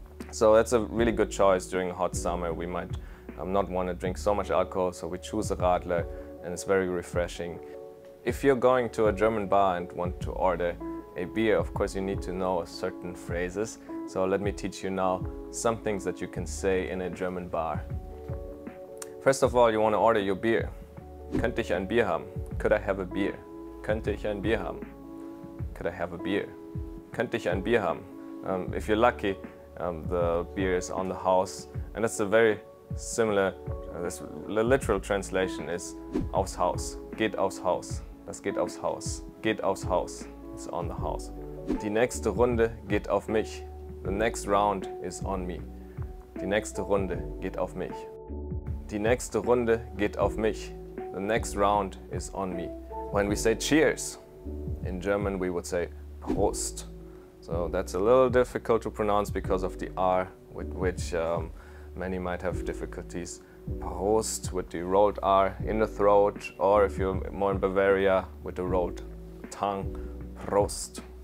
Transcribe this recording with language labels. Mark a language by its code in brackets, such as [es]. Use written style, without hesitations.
[en] So that's a really good choice during a hot summer. We might not want to drink so much alcohol, so we choose a Radler, and it's very refreshing. If you're going to a German bar and want to order a beer, of course you need to know certain phrases. So let me teach you now some things that you can say in a German bar. First of all, you want to order your beer. [de] Könnte ich ein Bier haben? [en] Could I have a beer? [de] Könnte ich ein Bier haben? Could I have a beer? Könnte ich ein Bier haben? [en] If you're lucky, the beer is on the house, and that's a very similar, the literal translation is [de] aufs Haus, geht aufs Haus, [en] das geht aufs Haus, geht aufs Haus, it's on the house. [de] Die nächste Runde geht auf mich, [en] the next round is on me, [de] die nächste Runde geht auf mich, die nächste Runde geht auf mich, the next round is on me. [en] When we say cheers, in German we would say Prost. So that's a little difficult to pronounce because of the R with which many might have difficulties. Prost, with the rolled R in the throat, or if you're more in Bavaria, with the rolled tongue. Prost.